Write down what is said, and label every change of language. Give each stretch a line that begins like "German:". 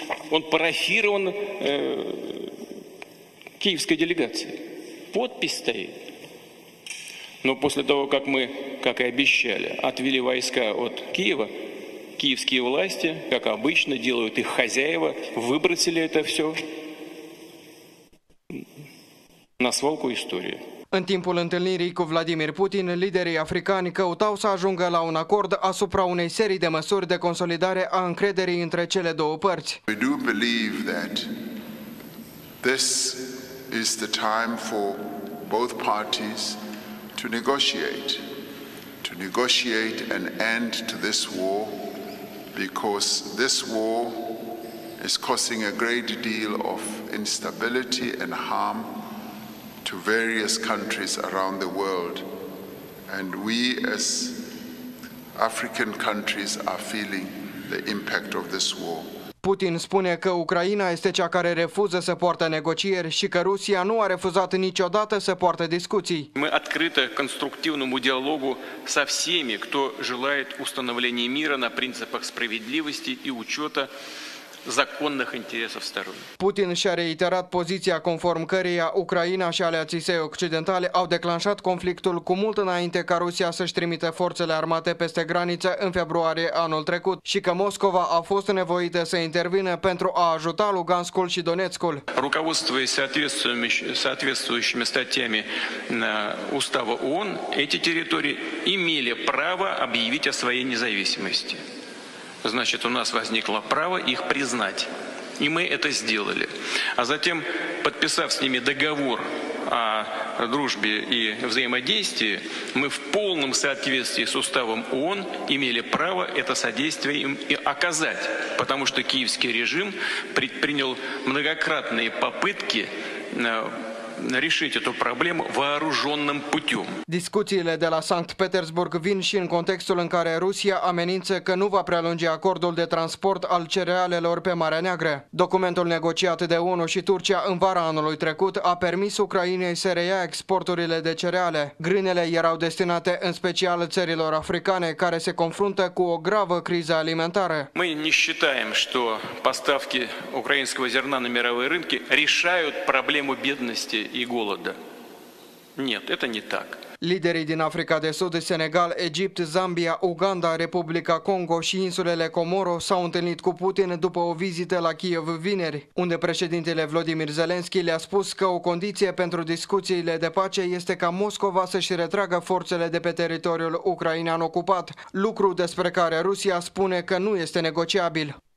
Russian: Он парафирован киевской делегацией. Подпись стоит. Но после того, как мы, как и обещали, отвели войска от Киева, киевские власти, как обычно, делают их хозяева, выбросили это все на свалку истории.
Romanian: În timpul întâlnirii cu Vladimir Putin, liderii africani căutau să ajungă la un acord asupra unei serii de măsuri de consolidare a încrederii între cele două părți.
English: We do believe that this is the time for both parties to negotiate an end to this war, because this war is causing a great deal of instability and harm to various countries around the world, and we as African countries are feeling the impact of this war.
Romanian: Putin spune că Ucraina este cea care refuză să poartă negocieri și că Rusia nu a refuzat niciodată să poartă discuții.
Russian: Мы открыты конструктивному диалогу со всеми, кто желает установления мира на принципах справедливости и учета законных интересов сторон.
Romanian: Путин și-a reiterat poziția conform căreia Ucraina și aliații săi occidentale au declanșat conflictul cu mult înainte ca Rusia să-și trimită forțele armate peste graniță în februarie anul trecut și că Moscova a fost nevoită să intervină pentru a ajuta Luganskul și Donetskul.
Russian: Руководствуясь соответствующими статьями устава ООН, эти территории имели право объявить о своей независимости. Значит, у нас возникло право их признать. И мы это сделали. А затем, подписав с ними договор о дружбе и взаимодействии, мы в полном соответствии с уставом ООН имели право это содействие им и оказать. Потому что киевский режим предпринял многократные попытки решить эту проблему вооруженным путем.
Romanian: Discuțiile de la Sankt Petersburg vin și în contextul în care Rusia amenință că nu va prelungi acordul de transport al cerealelor pe Marea Neagră. Documentul negociat de ONU și Turcia în vara anului trecut a permis Ucrainei să reia exporturile de cereale. Grânele erau destinate în special țărilor africane care se confruntă cu o gravă criză alimentară.
Russian: Мы не считаем, что поставки украинского зерна на мировые рынки решают проблему бедности и голода. Нет, это не так.
Romanian: Liderii din Africa de Sud, Senegal, Egipt, Zambia, Uganda, Republica Congo și insulele Comoro s-au întâlnit cu Putin după o vizită la Kiev vineri, unde președintele Vladimir Zelensky le-a spus că o condiție pentru discuțiile de pace este ca Moscova să-și retragă forțele de pe teritoriul ucrainean ocupat, lucru despre care Rusia spune că nu este negociabil.